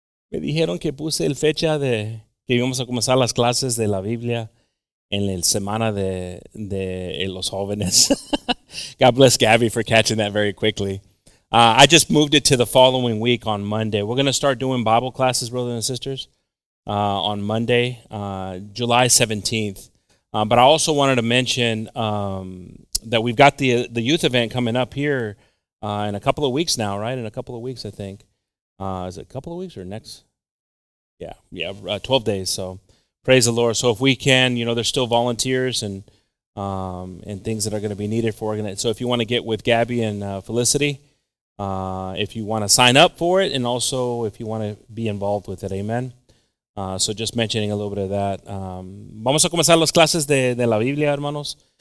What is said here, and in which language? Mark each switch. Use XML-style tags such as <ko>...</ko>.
<es>Me dijeron que puse el fecha de que íbamos a comenzar las clases de la Biblia en la semana de los jóvenes.</es> <en>God bless Gabby for catching that very quickly. I just moved it to the following week on Monday. We're going to start doing Bible classes, brothers and sisters, on Monday, July 17th. But I also wanted to mention that we've got the youth event coming up here in a couple of weeks now, right? In a couple of weeks, I think. Is it a couple of weeks or next? Yeah, 12 days. So praise the Lord. So if we can, you know, there's still volunteers and things that are going to be needed for it. So if you want to get with Gabby and Felicity, if you want to sign up for it, and also if you want to be involved with it, amen. So just mentioning a little bit of that.</en> <es>Vamos a comenzar las clases de la Biblia, hermanos.</es>